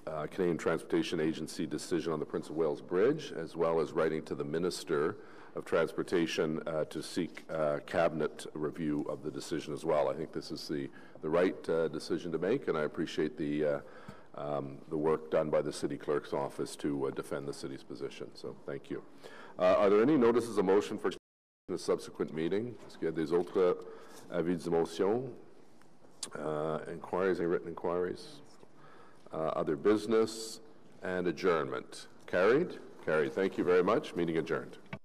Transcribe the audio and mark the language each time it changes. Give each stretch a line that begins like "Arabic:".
English: Canadian Transportation Agency decision on the Prince of Wales Bridge, as well as writing to the Minister of Transportation to seek cabinet review of the decision as well. I think this is the right decision to make, and I appreciate the work done by the City Clerk's office to defend the city's position. So, thank you. Are there any notices of motion for the subsequent meeting?
French: Est-ce qu'il y a des autres avis de motion?
English: Inquiries, any written inquiries? Other business and adjournment. Carried? Carried. Thank you very much. Meeting adjourned.